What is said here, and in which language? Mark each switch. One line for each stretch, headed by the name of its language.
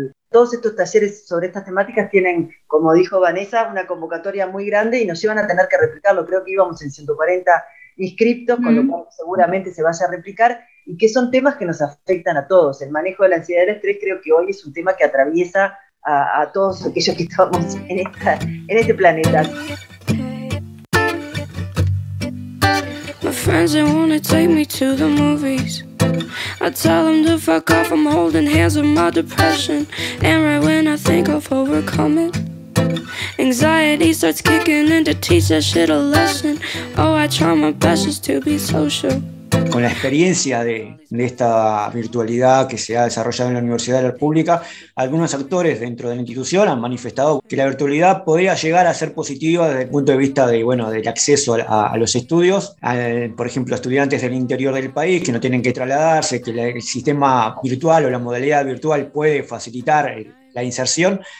Spanish: Todos estos talleres sobre estas temáticas tienen, como dijo Vanessa, una convocatoria muy grande y nos llevan a tener que replicarlo, creo que íbamos en 140 inscriptos, con lo cual seguramente se vaya a replicar, y que son temas que nos afectan a todos. El manejo de la ansiedad y el estrés creo que hoy es un tema que atraviesa a todos aquellos que estamos en este planeta.
English: My friends, they wanna take me to the movies. I tell them to fuck off, I'm holding hands with my depression. And right when I think of overcoming, anxiety starts kicking in to teach that shit a lesson. Oh, I try my best just to be social.
Spanish: Con la experiencia de esta virtualidad que se ha desarrollado en la Universidad de la República, algunos actores dentro de la institución han manifestado que la virtualidad podría llegar a ser positiva desde el punto de vista de, bueno, del acceso a los estudios. Por ejemplo, estudiantes del interior del país que no tienen que trasladarse, que el sistema virtual o la modalidad virtual puede facilitar la inserción.